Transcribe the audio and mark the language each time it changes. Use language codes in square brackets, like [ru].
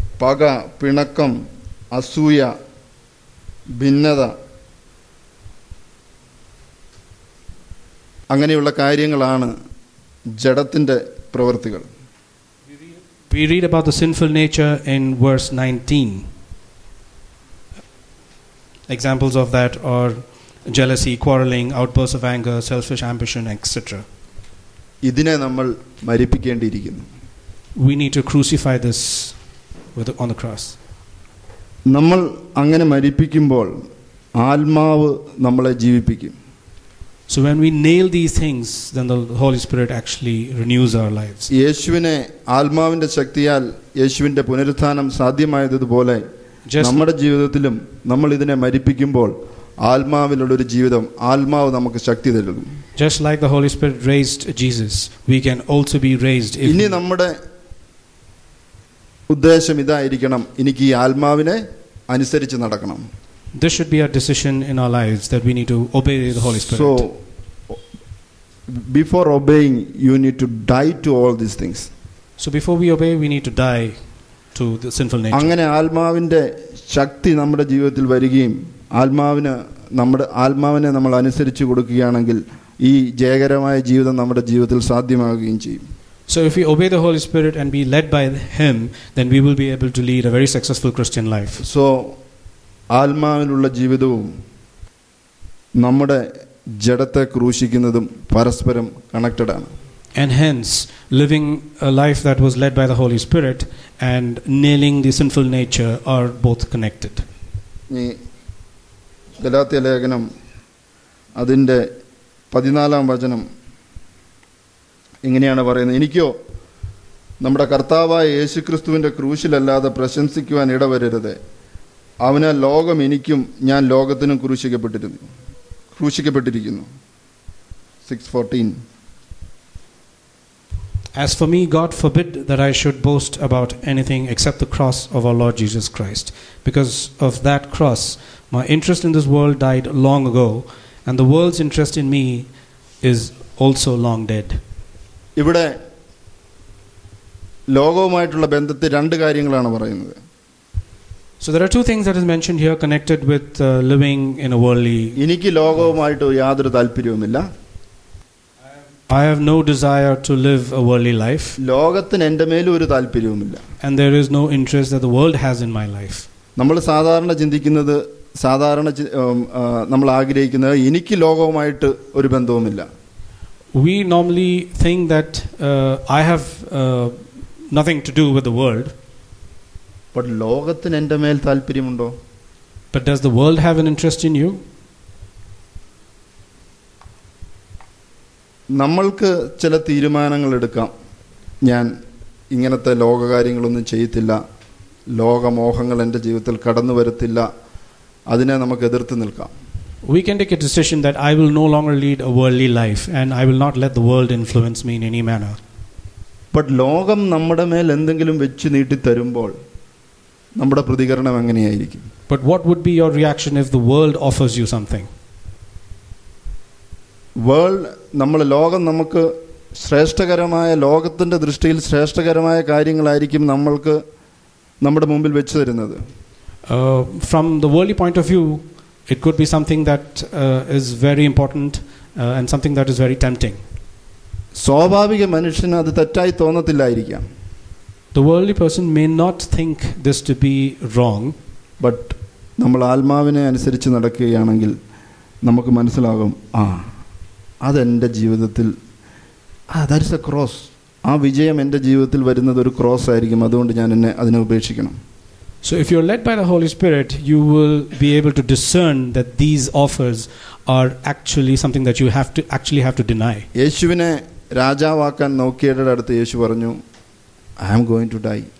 [ml] പക, പിണക്കം, അസൂയ, ഭിന്നത അങ്ങനെയുള്ള കാര്യങ്ങളാണ് ജഡത്തിന്റെ പ്രവൃത്തികൾ. [en] We read about the sinful nature in verse 19. Examples of that are jealousy, quarreling, outbursts of anger, selfish ambition, etc. [ml] ഇതിനെ നമ്മൾ മരിപ്പിക്കേണ്ടിയിരിക്കുന്നു. [en] We need to crucify this on the cross. [ml] നമ്മൾ അങ്ങനെ മരിപ്പിക്കുമ്പോൾ ആത്മാവ് നമ്മളെ ജീവിപ്പിക്കും. [en] So when we nail these things, then the Holy Spirit actually renews our lives. [ml] യേശുവിനെ ആത്മാവിന്റെ ശക്തിയാൽ യേശുവിന്റെ പുനരുത്ഥാനം സാധ്യമായതുപോലെ നമ്മുടെ ജീവിതത്തിലും നമ്മൾ ഇതിനെ മരിപ്പിക്കുമ്പോൾ ആത്മാവിലുള്ള ഒരു ജീവിതം ആത്മാവ് നമുക്ക് ശക്തി തരും. [en] Just like the Holy Spirit raised Jesus, we can also be raised. [ml] ഇനി നമ്മുടെ ഉദ്ദേശം ഇതായിരിക്കണം, എനിക്ക് ഈ ആത്മാവിനെ അനുസരിച്ച് നടക്കണം. [en] This should be our decision in our lives, that we need to obey the Holy Spirit. So before obeying, you need to die to all these things. So before we obey, we need to die to the sinful nature. [ml] അങ്ങനെ ആത്മാവിന്റെ ശക്തി നമ്മുടെ ജീവിതത്തിൽ വരികയും ആത്മാവിനെ നമ്മുടെ ആത്മാവിനെ നമ്മൾ അനുസരിച്ച് കൊടുക്കുകയാണെങ്കിൽ ഈ ജയകരമായ ജീവിതം നമ്മുടെ ജീവിതത്തിൽ സാധ്യമാവുകയും ചെയ്യും. [en] So if we obey the Holy Spirit and be led by him, then we will be able to lead a very successful Christian life. [ml] So ആത്മാവിലുള്ള ജീവിതവും നമ്മുടെ ജഡത്തെ ക്രൂശിക്കുന്നതും പരസ്പരം കണക്റ്റഡ് ആണ്. [en] And hence, living a life that was led by the Holy Spirit and nailing the sinful nature are both connected. [ml] Galatia ലേഖനം അതിൻ്റെ 14-ാം വചനം ഇങ്ങനെയാണ് പറയുന്നത്, എനിക്കോ നമ്മുടെ കർത്താവായ യേശു ക്രിസ്തുവിൻ്റെ ക്രൂശിലല്ലാതെ പ്രശംസിക്കുവാൻ ഇടവരരുത്, അവന് ലോകം എനിക്കും ഞാൻ ലോകത്തിനും ക്രൂശിക്കപ്പെട്ടിരിക്കുന്നു. 6:14. [en] As for me, God forbid that I should boast about anything except the cross of our Lord Jesus Christ. Because of that cross, my interest in this world died long ago, and the world's interest in me is also long dead. [ml] ഇവിടെ ലോകവുമായിട്ടുള്ള ബന്ധത്തെ രണ്ട് കാര്യങ്ങളാണ് പറയുന്നത്. [en] So there are two things that is mentioned here connected with living in a worldly. [ml] എനിക്ക് ലോകവുമായിട്ട് യാതൊരു താല്പര്യവുമില്ല. [en] I have no desire to live a worldly life. [ml] ലോകത്തിന് എൻ്റെ മേൽ ഒരു താല്പര്യവുമില്ല. [en] And there is no interest that the world has in my life. [ml] നമ്മൾ സാധാരണ ചിന്തിക്കുന്നത്, സാധാരണ നമ്മൾ ആഗ്രഹിക്കുന്നത്, എനിക്ക് ലോകവുമായിട്ട് ഒരു ബന്ധവുമില്ല. [en] We normally think that I have nothing to do with the world. [ml] But ലോകത്തിന് എൻ്റെ മേൽ താല്പര്യമുണ്ടോ? [en] But does the world have an interest in you? [ml] നമ്മൾക്ക് ചില തീരുമാനങ്ങൾ എടുക്കാം, ഞാൻ ഇങ്ങനത്തെ ലോകകാര്യങ്ങളൊന്നും ചെയ്യത്തില്ല, ലോകമോഹങ്ങൾ എൻ്റെ ജീവിതത്തിൽ കടന്നു വരത്തില്ല, അതിനെ നമുക്ക് എതിർത്ത് നിൽക്കാം. [en] We can take a decision that I will no longer lead a worldly life and I will not let the world influence me in any manner. [ml] But ലോകം നമ്മുടെ മേൽ എന്തെങ്കിലും വെച്ച് നീട്ടി തരുമ്പോൾ നമ്മുടെ പ്രതികരണം എങ്ങനെയായിരിക്കും? [en] But what would be your reaction if the world offers you something? [ml] World നമ്മൾ ലോകം നമുക്ക് ശ്രേഷ്ഠകരമായ, ലോകത്തിൻ്റെ ദൃഷ്ടിയിൽ ശ്രേഷ്ഠകരമായ കാര്യങ്ങളായിരിക്കും നമ്മൾക്ക് നമ്മുടെ മുമ്പിൽ വെച്ച് തരുന്നത്. [en] From the world point of view it could be something that is very important and something that is very tempting. [ml] സ്വാഭാവിക മനുഷ്യന് അത് തെറ്റായി തോന്നത്തില്ലായിരിക്കാം. [en] The world person may not think this to be wrong. [ml] But നമ്മൾ ആത്മാവിനെ അനുസരിച്ച് നടക്കുകയാണെങ്കിൽ നമുക്ക് മനസ്സിലാകും, ആ അതെൻ്റെ ജീവിതത്തിൽ, [en] That is a cross. [ml] ആ വിജയം എൻ്റെ ജീവിതത്തിൽ വരുന്നത് ഒരു ക്രോസ് ആയിരിക്കും, അതുകൊണ്ട് ഞാൻ എന്നെ അതിനെ ഉപേക്ഷിക്കണം. [en] So if you're led by the Holy Spirit, you will be able to discern that these offers are actually something that you have to deny. [ml] യേശുവിനെ രാജാവാക്കാൻ നോക്കിയടുത്ത് അടുത്ത് യേശു പറഞ്ഞു, [en] I am going to die.